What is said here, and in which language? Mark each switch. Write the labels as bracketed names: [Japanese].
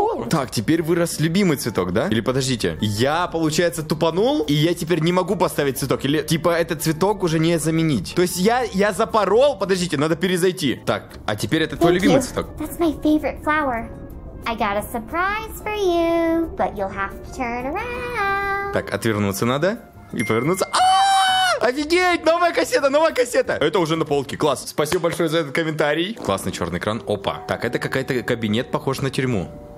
[Russian] Так, теперь вырос любимый цветок, да? Или подождите, я, получается, тупанул, и я теперь не могу поставить цветок. Или, типа, этот цветок уже не заменить. То есть я запорол, подождите, надо перезайти. Так, а теперь это твой любимый цветок. [English] That's my favorite flower. I got a surprise for you, but you'll have to turn around. [Russian] Так, отвернуться надо и повернуться. Офигеть, новая кассета, новая кассета. Это уже на полке, класс. Спасибо большое за этот комментарий. Классный черный экран, опа. Так, это какой-то кабинет, похож на тюрьму.